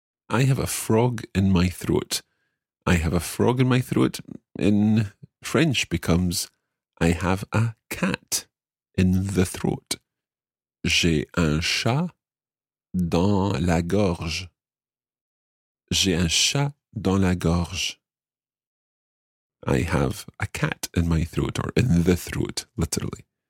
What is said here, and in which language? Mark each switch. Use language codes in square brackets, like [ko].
[en] I have a frog in my throat. I have a frog in my throat in French becomes I have a cat in the throat. [fr] J'ai un chat dans la gorge. J'ai un chat dans la gorge. [en] I have a cat in my throat, or in the throat, literally.